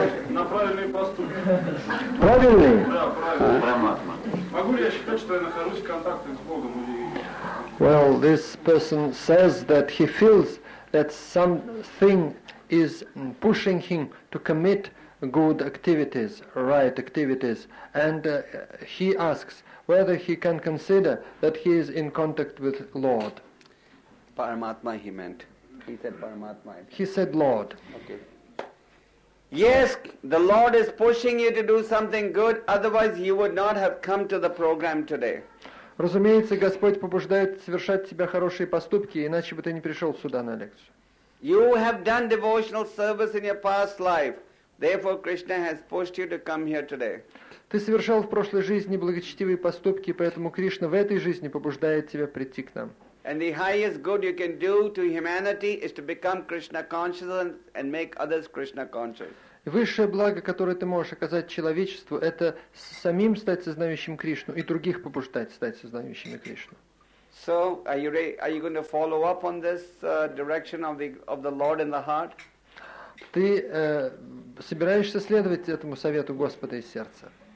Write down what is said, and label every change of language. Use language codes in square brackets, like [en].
[ru] На правильный поступок. Правильный? Да, правильный. Могу ли я считать, что я нахожусь в контакте с Богом? [en] Well, this person says that he feels that something is pushing him to commit good activities, right activities, and he asks whether he can consider that he is in contact with Lord. Paramatma he meant. He said Paramatma. He said Lord. Okay. Yes, the Lord is pushing you to do something good, otherwise you would not have come to the program today. [ru] Разумеется, Господь побуждает совершать тебя хорошие поступки, иначе бы ты не пришел сюда на лекцию. [en] You have done devotional service in your past life, therefore Krishna has pushed you to come here today. [ru] Ты совершал в прошлой жизни благочестивые поступки, поэтому Кришна в этой жизни побуждает тебя прийти к нам. [en] And the highest good you can do to humanity is to become Krishna conscious and make others Krishna conscious. [ru] Высшее благо, которое ты можешь оказать человечеству, это самим стать сознающим Кришну и других побуждать стать сознающими Кришну. [en] So, are you going to follow up on this direction of the Lord in the heart? [ru] Ты собираешься следовать этому совету Господа из сердца?